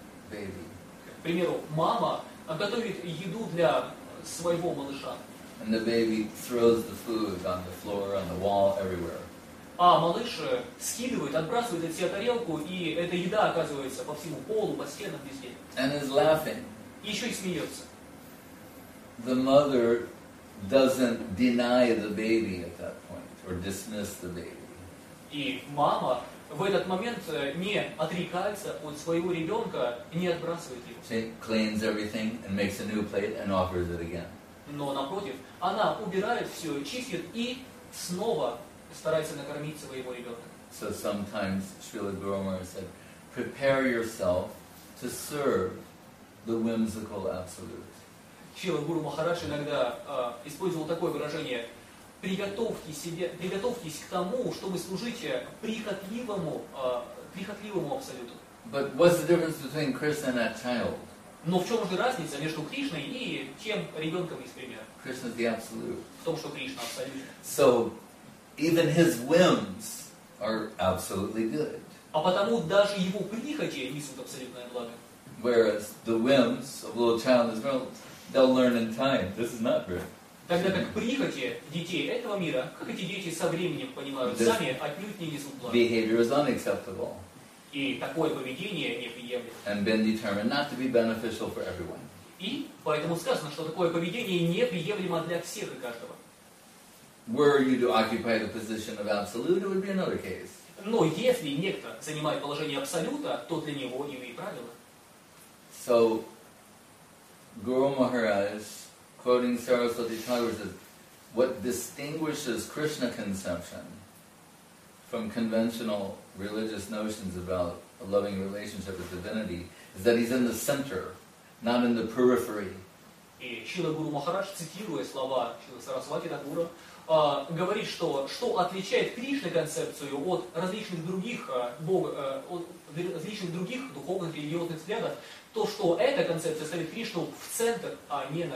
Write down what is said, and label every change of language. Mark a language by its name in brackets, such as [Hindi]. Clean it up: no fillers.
[Russian] К примеру, мама готовит еду для своего малыша. [English] And the baby throws the food on the floor, on the wall, everywhere. [Russian] А малыш скидывает, отбрасывает от себя тарелку, и эта еда оказывается по всему полу, по стенам, везде. [English] And is laughing. [Russian] И еще и смеется. [English] The mother doesn't deny the baby at that point, or dismiss the baby. [Russian] И мама в этот момент не отрекается от своего ребенка, не отбрасывает его. [English] She cleans everything and makes a new plate and offers it again. [Russian] Но напротив, она убирает все, чистит и снова старается накормить своего ребенка. [English] So sometimes Srila Guru Maharaj said, prepare yourself to serve the whimsical absolute. [Russian] Srila Guru Maharaj иногда использовал такое выражение: приготовьтесь к тому, чтобы служить прихотливому абсолюту. [English] But what's the difference between Krishna and that child? [Russian] Но в чем же разница между Кришной и тем ребенком из примера? [English] Krishna is the absolute. [Russian] В том, что Кришна абсолютен. [English] So even his whims are absolutely good. [Russian] А потому даже его прихоти несут абсолютное благо. [English] Whereas the whims of a little child is well, they'll learn in time. This is not good. [Russian] Тогда как прихоти детей этого мира, как эти дети со временем понимают [English] this [Russian] сами, отнюдь не несут благо. [English] Behavior is unacceptable. [Russian] И такое поведение неприемлемо. [English] And been determined not to be beneficial for everyone. [Russian] И поэтому сказано, что такое поведение неприемлемо для всех и каждого. [English] Were you to occupy the position of absolute, it would be another case. [Russian] Но если некто занимает положение абсолюта, то для него иные правила. [English] So, Guru Maharaj, quoting Saraswati Thakur, says, what distinguishes Krishna conception from conventional religious notions about a loving relationship with divinity is that he's in the center, not in the periphery. [Russian] И Шрила Гуру Махарадж, цитируя слова Шрилы Сарасвати Тхакура, говорит, что что отличает Кришна-концепцию от различных других бог, от различных других духовных и религиозных взглядов, то что эта концепция ставит Кришну в центр, а не на